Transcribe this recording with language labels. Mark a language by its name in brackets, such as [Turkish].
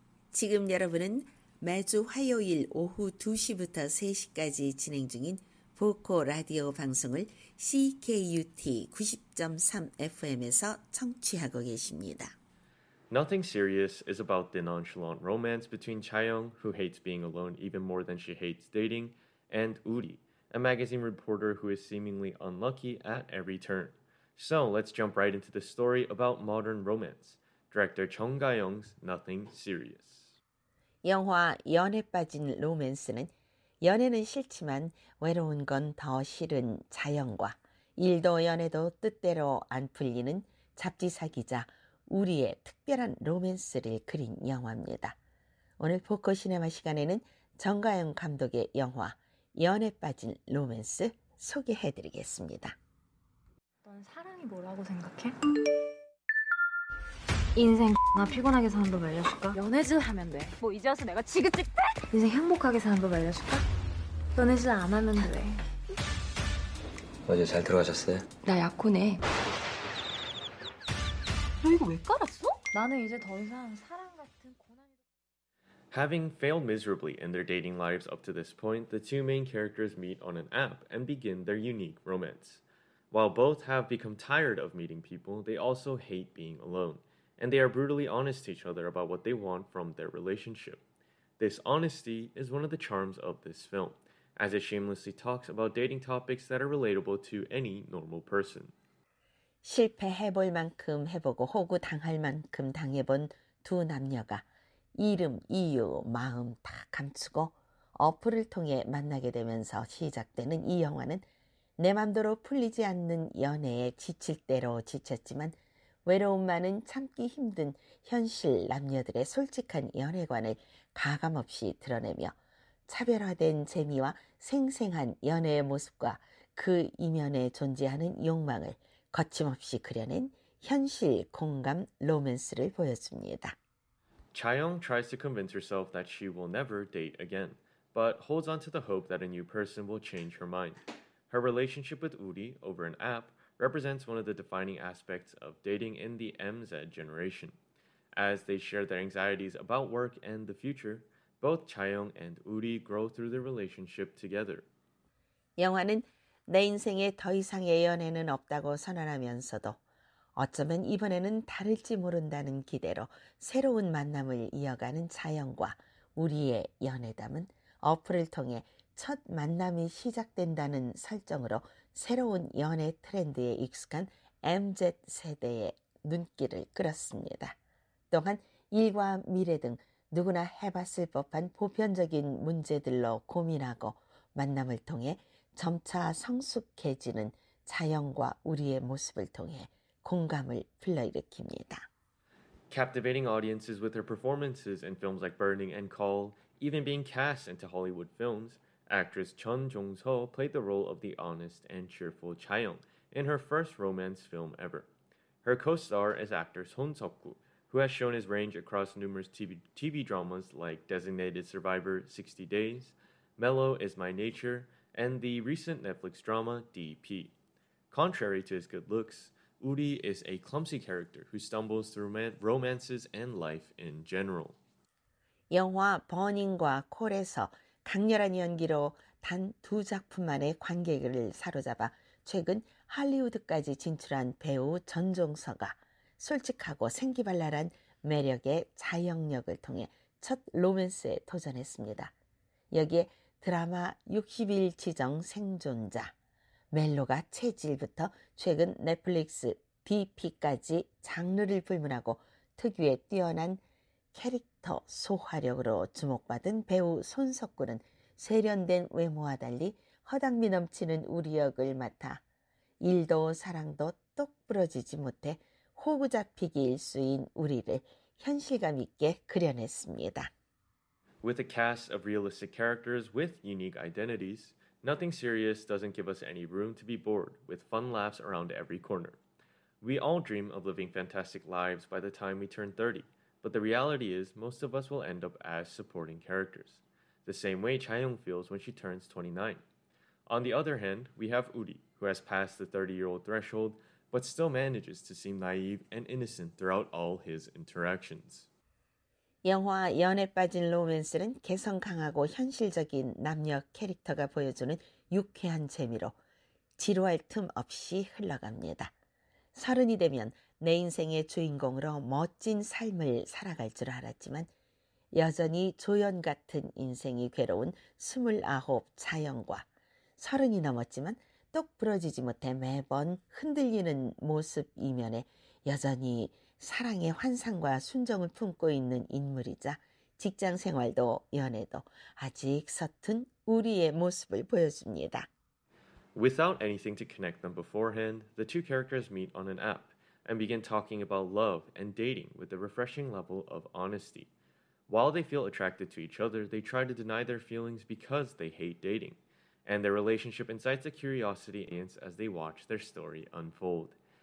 [Korean] 지금 여러분은 매주 화요일 오후 2시부터 3시까지 진행 중인 보코 라디오 방송을 CKUT 90.3 FM에서 청취하고 계십니다. [English] Nothing Serious is about the nonchalant romance between Chaeyoung, who hates being alone even more than she hates dating, and Uri, a magazine reporter who is seemingly unlucky at every turn. So let's jump right into the story about modern romance. Director Chung Ga-young's Nothing Serious. [Korean] 영화 연애 빠진 로맨스는 연애는 싫지만 외로운 건 더 싫은 자영과 일도 연애도 뜻대로 안 풀리는 잡지사 기자 우리의 특별한 로맨스를 그린 영화입니다. 오늘 포커 시네마 시간에는 정가영 감독의 영화 연애 빠진 로맨스 소개해드리겠습니다. 넌 사랑이 뭐라고 생각해? 인생 X나 피곤하게 사는 법 알려줄까? 연애질 하면 돼. 뭐 이제 와서 내가 지긋지긋해? 인생 행복하게 사는 법 알려줄까? 연애질 안 하면 돼. 어제 잘 들어가셨어요? 나 약혼해. 너 이거 왜 깔았어? 나는 이제 더 이상 사랑 같은 고난이... [English] Having failed miserably in their dating lives up to this point, the two main characters meet on an app and begin their unique romance. While both have become tired of meeting people, they also hate being alone. And they are brutally honest to each other about what they want from their relationship. This honesty is one of the charms of this film, as it shamelessly talks about dating topics that are relatable to any normal person. [Korean] 실패해볼 만큼 해보고 호구 당할 만큼 당해본 두 남녀가 이름, 이유, 마음 다 감추고 어플을 통해 만나게 되면서 시작되는 이 영화는 내 맘대로 풀리지 않는 연애에 지칠 대로 지쳤지만 외로움만은 참기 힘든 현실 남녀들의 솔직한 연애관을 가감없이 드러내며 차별화된 재미와 생생한 연애의 모습과 그 이면에 존재하는 욕망을 거침없이 그려낸 현실 공감 로맨스를 보여줍니다. [English] Chaeyoung tries to convince herself that she will never date again, but holds on to the hope that a new person will change her mind. Her relationship with Woody over an app represents one of the defining aspects of dating in the MZ generation. As they share their anxieties about work and the future, both Chaeyoung and Woody grow through their relationship together. [Korean] 영화는 내 인생에 더 이상 예연애는 없다고 선언하면서도 어쩌면 이번에는 다를지 모른다는 기대로 새로운 만남을 이어가는 자영과 우리의 연애담은 어플을 통해 첫 만남이 시작된다는 설정으로 새로운 연애 트렌드에 익숙한 MZ세대의 눈길을 끌었습니다. 또한 일과 미래 등 누구나 해봤을 법한 보편적인 문제들로 고민하고 만남을 통해 점차 성숙해지는 자연과 우리의 모습을 통해 공감을 불러일으킵니다. [English] Captivating audiences with her performances in films like Burning and Call, even being cast into Hollywood films, actress Chun Jong-so played the role of the honest and cheerful Chaeyoung in her first romance film ever. Her co-star is actor Son Seok-gu, who has shown his range across numerous TV dramas like Designated Survivor 60 Days, Mellow Is My Nature, and the recent Netflix drama DP. Contrary to his good looks, Woody is a clumsy character who stumbles through romances and life in general. [Korean] 영화 Burning과 Call에서 강렬한 연기로 단 두 작품 만에 관객을 사로잡아 최근 할리우드까지 진출한 배우 전종서가 솔직하고 생기발랄한 매력의 자영역을 통해 첫 로맨스에 도전했습니다. 여기에 드라마 60일 지정 생존자, 멜로가 체질부터 최근 넷플릭스 DP까지 장르를 불문하고 특유의 뛰어난 캐릭터 소화력으로 주목받은 배우 손석구는 세련된 외모와 달리 허당미 넘치는 우리 역을 맡아 일도 사랑도 똑 부러지지 못해 호구 잡히기일 수인 우리를 현실감 있게 그려냈습니다. [English] With a cast of realistic characters with unique identities, nothing serious doesn't give us any room to be bored with fun laughs around every corner. We all dream of living fantastic lives by the time we turn 30, but the reality is most of us will end up as supporting characters, the same way Chaeyoung feels when she turns 29. On the other hand, we have Woody, who has passed the 30-year-old threshold, but still manages to seem naive and innocent throughout all his interactions. [Korean] 영화 연애 빠진 로맨스는 개성 강하고 현실적인 남녀 캐릭터가 보여주는 유쾌한 재미로 지루할 틈 없이 흘러갑니다. 서른이 되면 내 인생의 주인공으로 멋진 삶을 살아갈 줄 알았지만 여전히 조연 같은 인생이 괴로운 스물아홉 자연과 서른이 넘었지만 똑 부러지지 못해 매번 흔들리는 모습 이면에 여전히 사랑의 환상과 순정을 품고 있는 인물이자 직장 생활도 연애도 아직 서툰 우리의 모습을 보여줍니다. [English] Without anything to connect them beforehand, the two characters meet on an app and begin talking about love and dating with a refreshing level of honesty. While they feel attracted to each other, they try to deny their feelings because they hate dating. and their relationship incites a curiosity audience as they watch their story unfold.